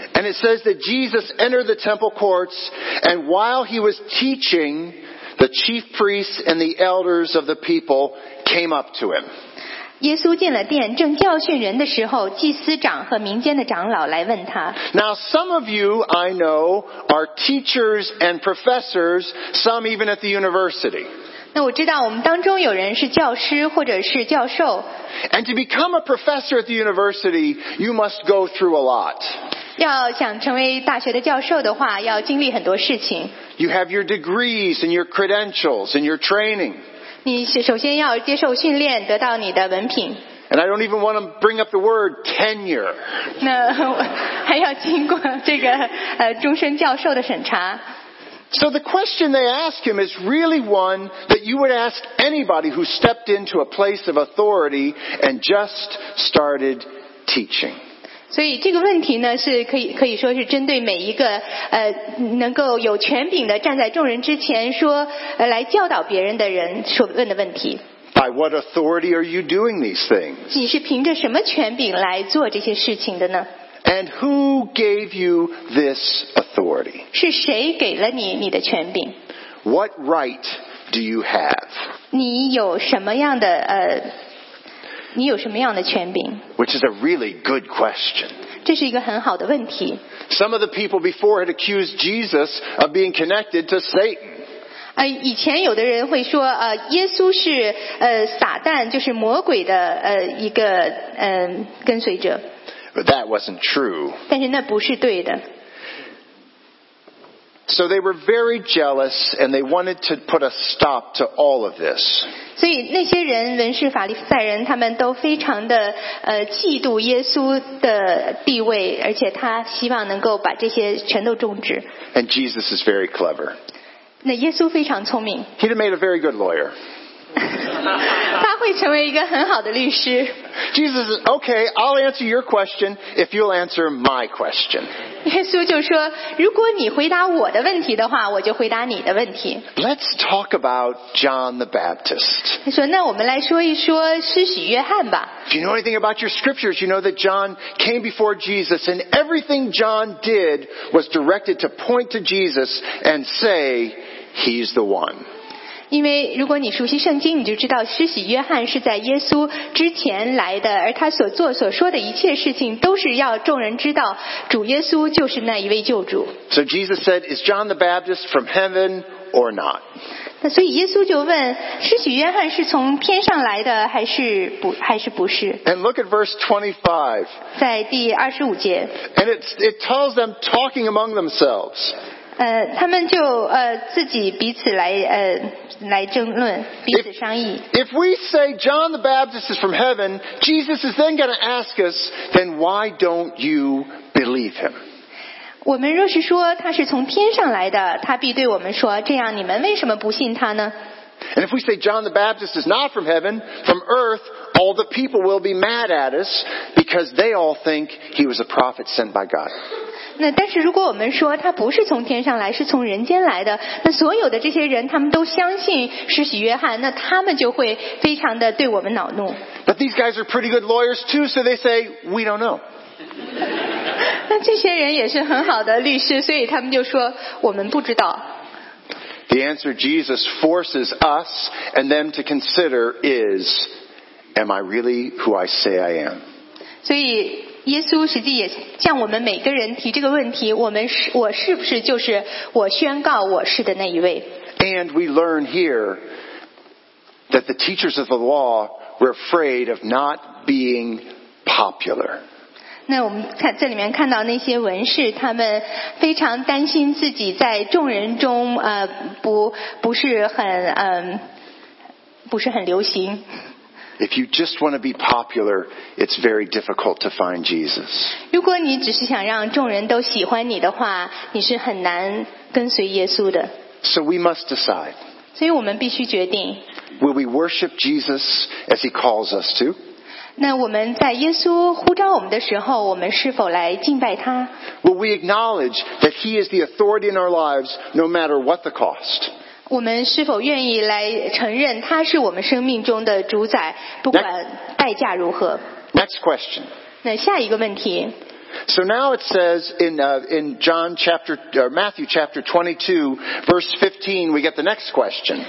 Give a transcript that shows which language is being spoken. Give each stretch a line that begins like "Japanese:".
English: And it says that Jesus entered the temple courts, and while he was teaching, the chief priests and the elders of the people came up to him.
Chinese: 耶稣进了殿，正教训人的时候，祭司长和民间的长老来问他。
English: Now some of you I know are teachers and professors, some even at the university.
Chinese: 那我知道我们当中有人是教师或者是教授。
English: And to become a professor at the university, you must go through a lot.
Chinese: 要想成为大学的教授的话，要经历很多事情。
English: You have your degrees and your credentials and your training.
Chinese: 你首先要接受训练，得到你的文凭。
English: And I don't even want to bring up the word tenure.
Chinese: 那还要经过这个终身教授的审查。
English: So the question they ask him is really one that you would ask anybody who stepped into a place of authority and just started teaching.
Chinese: 所以这个问题呢，是可以说是针对每一个能够有权柄的站在众人之前说来教导别人的人所问的问题。
English: By what authority are you doing these things?
Chinese: 你是凭着什么权柄来做这些事情的呢？
English: And who gave you this authority?
Chinese: 是谁给了你的权柄？
English: What right do you have?
Chinese: 你有什么样的你有什么样的权柄？
English: Which is a really good question.
Chinese: 这是一个很好的问题。
English: Some of the people before had accused Jesus of being connected to Satan.
Chinese: 以前有的人会说耶稣是撒旦，就是魔鬼的一个跟随者。
English: But that wasn't true.
Chinese: 但是那不是对的。
English: So they were very jealous and they wanted to put a stop to all of this.
Chinese: 所以那些人文士法利赛人他们都非常的嫉妒耶稣的地位而且他希望能够把这些全都终止。
English: And Jesus is very clever.
Chinese: 那耶稣非常聪明。
English: He'd have made a very good lawyer.
Chinese: 他会成为一个很好的律师。
English: Jesus says, okay, I'll answer your question if you'll answer my question.
Chinese: 耶稣就说如果你回答我的问题的话我就回答你的问题。
English: Let's talk about John the Baptist.
Chinese: 他说那我们来说一说施洗约翰吧。
English: If you know anything about your scriptures, you know that John came before Jesus and everything John did was directed to point to Jesus and say, he's the one.
Chinese: 因为如果你熟悉圣经，你就知道施洗约翰是在耶稣之前来的，而他所做所说的一切事情，都是要众人知道主耶稣就是那一位救主。
English: So Jesus said, "Is John the Baptist from heaven or not?"
Chinese: 那所以耶稣就问施洗约翰是从天上来的还是不是
English: ？And look at verse 25.
Chinese: 在第二十五节。
English: And it tells them talking among themselves.
Chinese: 他们就自己彼此来来争论，彼此商议。
English: If we say John the Baptist is from heaven, Jesus is then going to ask us, then why don't you believe him?
Chinese: 我们若是说他是从天上来的，他必对我们说，这样你们为什么不信他呢？
English: And if we say John the Baptist is not from heaven, from earth, all the people will be mad at us because they all think he was a prophet sent by God.
Chinese: 那但是如果我们说他不是从天上来，是从人间来的，那所有的这些人他们都相信施洗约翰，那他们就会非常的对我们恼怒。
English: But these guys are pretty good lawyers too, so they say we don't know.
Chinese: 那这些人也是很好的律师，所以他们就说我们不知道。
English: The answer Jesus forces us and them to consider is, am I really who I say I am?
Chinese: 所以。耶稣实际也向我们每个人提这个问题，我是不是就是我宣告我是的那一位
English: ？And we learn here that the teachers of the law were afraid of not being popular.
Chinese: 那我们看这里面看到那些文士，他们非常担心自己在众人中不是很流行。
English: If you just want to be popular, it's very difficult to find Jesus.
Chinese: 如果你只是想让众人都喜欢你的话，你是很难跟随耶稣的。
English: So we must decide.
Chinese: 所以我们必须决定。
English: Will we worship Jesus as he calls us to?
Chinese: 那我们在耶稣呼召我们的时候，我们是否来敬拜他？
English: Will we acknowledge that he is the authority in our lives, no matter what the cost?
Chinese: 我们是否愿意来承认他是我们生命中的主宰，不管代价如何
English: ？Next question.
Chinese: 那下一个问题。
English: So now it says in John chapter or Matthew chapter 22 verse 15 we get the next question.